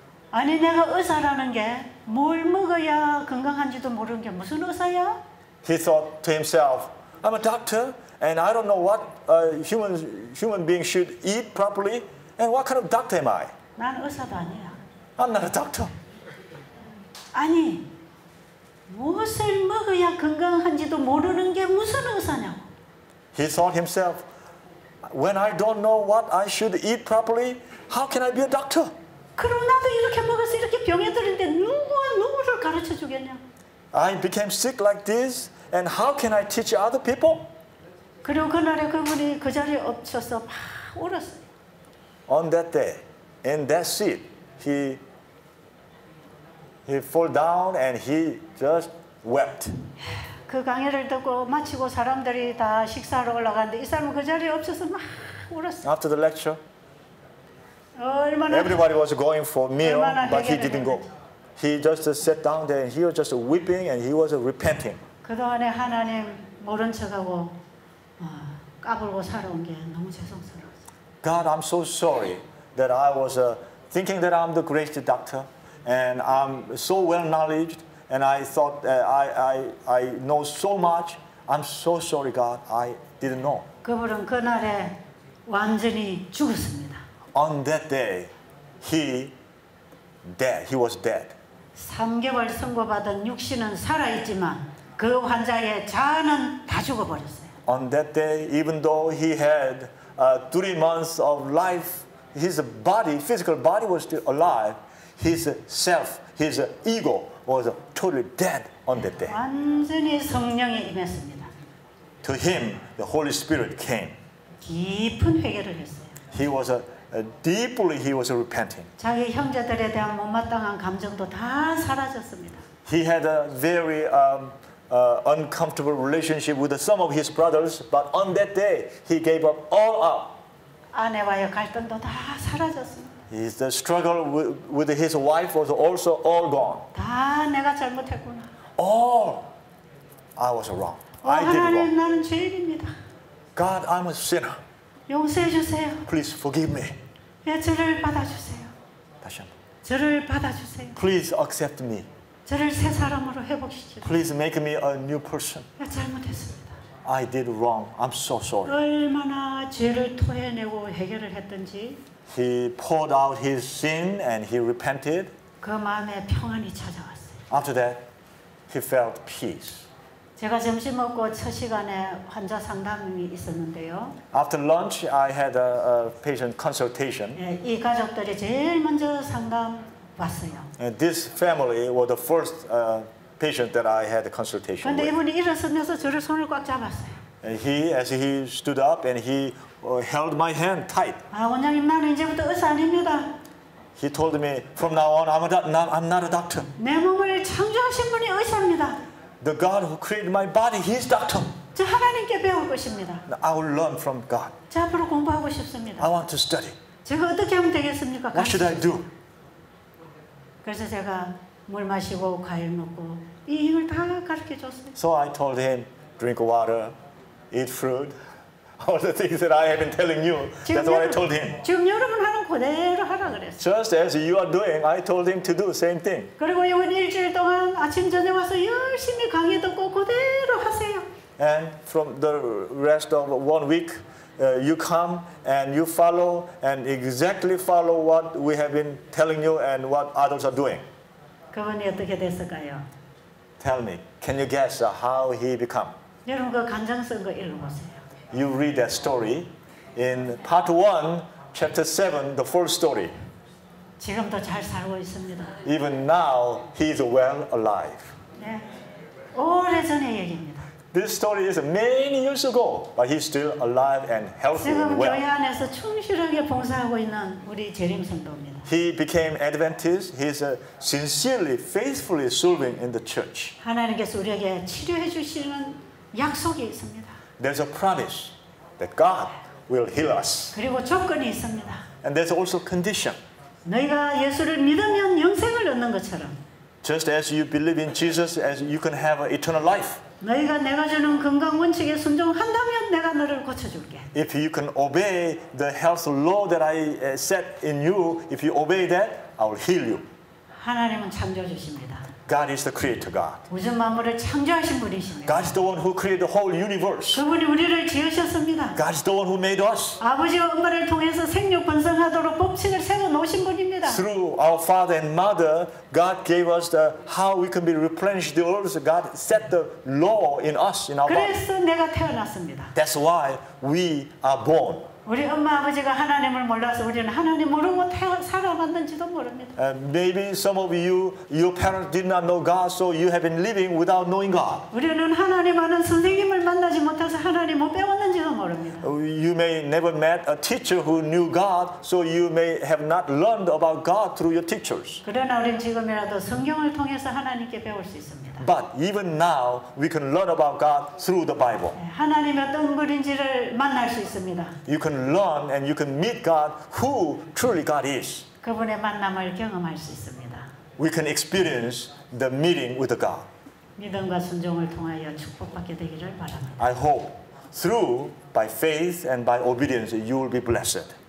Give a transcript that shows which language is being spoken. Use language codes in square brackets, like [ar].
[ko] 아니 내가 의사라는 게 뭘 먹어야 건강한지도 모르는 게 무슨 의사야? [en] He thought to himself, I'm a doctor, and I don't know what a human being should eat properly, and what kind of doctor am I? [ko] 난 의사도 아니야. [en] I'm not a doctor. [ko] 아니, 무엇을 먹어야 건강한지도 모르는 게 무슨 의사냐고. [en] He thought himself, when I don't know what I should eat properly, how can I be a doctor? [ko] 그럼 나도 이렇게 먹어서 이렇게 병에 들었는데 누가 누구를 가르쳐 주겠냐. [en] I became sick like this, and how can I teach other people? [ko] 그리고 그날에 그분이 그 자리에 엎쳐서 막 울었어요. [en] On that day, In that seat, he fell down and he just wept. [ko] 그 강의를 듣고 마치고 사람들이 다 식사하러 올라갔는데 이 사람은 그 자리에 없어서 막 울었어요. [en] After the lecture, everybody was going for meal, but he didn't go. He just sat down there and he was just weeping and he was repenting. [ko] 그동안에 하나님 모른 척하고 까불고 살아온 게 너무 죄송스러웠어요. [en] God, I'm so sorry. That I was thinking that I'm the greatest doctor, and I'm so well-knowledged, and I thought that I know so much. I'm so sorry, God. I didn't know. [ko] 그분은 그날에 완전히 죽었습니다. [en] On that day, he was dead. [ko] 3개월 선고받은 육신은 살아있지만 그 환자의 자아는 다 죽어버렸어요. [en] On that day, even though he had 3 months of life. His body, physical body was still alive. His self, his ego was totally dead on that day. [ko] 완전히 성령이 임했습니다. [en] To him, the Holy Spirit came. [ko] 깊은 회개를 했어요. [en] He was deeply, he was repenting. [ko] 자기 형제들에 대한 못마땅한 감정도 다 사라졌습니다. [en] He had a very uncomfortable relationship with some of his brothers, but on that day he gave up all up. [ko] 아내와의 갈등도 다 사라졌습니다. [en] The struggle with his wife was also all gone. [ko] 다 내가 잘못했구나. [en] All, I was wrong. 오, I did [ko] 하나님, [en] wrong. [ko] 나는 죄인입니다. [en] God, I'm a sinner. [ko] 용서해 주세요. [en] Please forgive me. [ko] 예, 저를 받아주세요. 다시 한 번. 저를 받아주세요. [en] Please accept me. [ko] 저를 새 사람으로 회복시켜. [en] Please make me a new person. [ko] 예, 잘못했습니다. [en] I did wrong. I'm so sorry. [ko] 얼마나 죄를 토해내고 해결을 했든지. [en] He poured out his sin and he repented. [ko] 그 마음에 평안이 찾아왔어요. [en] After that, he felt peace. [ko] 제가 점심 먹고 첫 시간에 환자 상담이 있었는데요. [en] After lunch, I had a patient consultation. [ko] 예, 이 가족들이 제일 먼저 상담 왔어요. [en] And this family was the first patient that I had a consultation with. [ko] 근데 이분이 일어서면서 저를 손을 꽉 잡았어요. [en] And he, as he stood up, and he held my hand tight. [ko] 아, 원장님, 나는 이제부터 의사 아닙니다. [en] He told me, from now on, I'm not a doctor. [ko] 내 몸을 창조하신 분이 의사입니다. [en] The God who created my body, He is doctor. [ko] 저 하나님께 배울 것입니다. [en] I will learn from God. [ko] 저 앞으로 공부하고 싶습니다. [en] I want to study. [ko] 제가 어떻게 하면 되겠습니까? [en] What should I do? [ko] 그래서 제가 물 마시고 과일 먹고 이 힘을 다 가르쳐 줬어요. [en] So I told him, drink water, eat fruit, all the things that I have been telling you. That's what I told him. [ko] 지금 여러분 하는 그대로 하라 그랬어요. [en] Just as you are doing, I told him to do same thing. [ko] 그리고 이번 일주일 동안 아침 저녁 와서 열심히 강의 듣고 그대로 하세요. [en] And from the rest of 1 week, you come and you follow and exactly follow what we have been telling you and what others are doing. [ko] 그분이 어떻게 됐을까요? [en] Tell me, can you guess how he become? [ko] 여러분 그 간장 쓴 거 읽어보세요. [en] You read that story in part 1, chapter 7, the full story. [ko] 지금도 잘 살고 있습니다. [en] Even now, he is well alive. [ko] 네. 오래전의 얘기입니다. [en] This story is many years ago, but he's still alive and healthy and well. [ko] 지금 교회 안에서 충실하게 봉사하고 있는 우리 재림 선도입니다. [en] He became Adventist. He's sincerely, faithfully serving in the church. [ko] 하나님께서 우리에게 치료해 주시는 약속이 있습니다. [en] There's a promise that God will heal us. [ko] 그리고 조건이 있습니다. [en] And there's also condition. [ko] 너희가 예수를 믿으면 영생을 얻는 것처럼. [en] Just as you believe in Jesus, as you can have an eternal life. [ko] 너희가 내가 주는 건강 원칙에 순종한다면 내가 너를 고쳐줄게. [en] If you can obey the health law that I set in you, if you obey that, I will heal you. [ko] 하나님은 창조주십니다. [en] God is the creator God. [ko] 우주 만물을 창조하신 분이십니다. [en] God is the one who created the whole universe. [ko] 그분이 우리를 지으셨습니다. [en] God is the one who made us. [ko] 아버지와 엄마를 통해서 생육 번성하도록 법칙을 세워 놓으신 분입니다. [en] Through our father and mother, God gave us the how we can be replenished the earth. God set the law in us in our [ko] 그래서 그래서 내가 태어났습니다. [en] That's why we are born. [ko] 우리 엄마 아버지가 하나님을 몰라서 우리는 하나님 모르고 살아왔는지도 모릅니다. [en] Maybe some of you, your parents did not know God, so you have been living without knowing God. [ko] 우리는 하나님 아는 선생님을 만나지 못해서 하나님 못 배웠는지도 모릅니다. [en] You may never met a teacher who knew God, so you may have not learned about God through your teachers. [ko] 그러나 우리는 지금이라도 성경을 통해서 하나님께 배울 수 있습니다. [en] But even now, we can learn about God through the Bible. [ko] 하나님 어떤 분인지를 만날 수 있습니다. [en] You can learn and you can meet God who truly God is. [ko] 그분의 만남을 경험할 수 있습니다. [en] We can experience the meeting with the God. [ko] 믿음과 순종을 통하여 축복받게 되기를 바랍니다. [en] I hope through by faith and by obedience you will be blessed.